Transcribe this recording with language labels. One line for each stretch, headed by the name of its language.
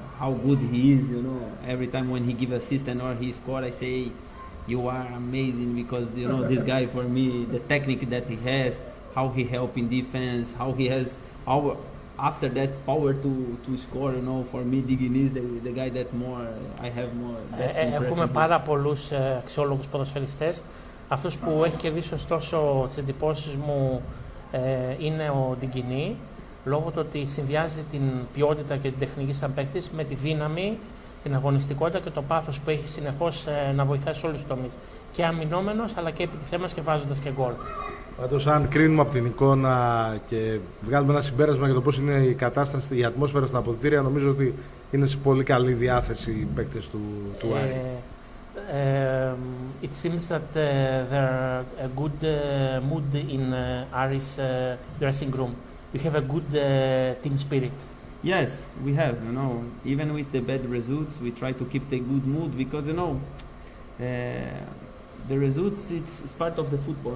English: How good he is, you know. Every time when he give assist and or he score, I say, you are amazing because you know this guy for me, the technique that he has, how he help in defense, how he has power, after that power to score, you know. For me, Digini is the guy that more I have more.
Greek: Έχουμε πάρα πολλούς αξιόλογους ποδοσφαιριστές. Αυτός που έχει κερδίσει ωστόσο τις εντυπώσεις μου είναι ο Digini. Λόγω του ότι συνδυάζει την ποιότητα και την τεχνική σαν παίκτης με τη δύναμη, την αγωνιστικότητα και το πάθος που έχει συνεχώς να βοηθάει σε όλους τους τομείς. Και αμυνόμενος, αλλά και επιτιθέμενος και βάζοντας και γκολ. Πάντως, αν κρίνουμε από την εικόνα και βγάλουμε ένα συμπέρασμα για το πώς είναι η κατάσταση, η ατμόσφαιρα στα αποδυτήρια, νομίζω ότι είναι σε πολύ καλή διάθεση οι παίκτες του Άρη.
English: It seems that there are a good mood in Aris dressing room. You have a good team spirit. Yes, we have. You know, even with the bad results, we try to keep the good mood because you know, the results it's part of the football.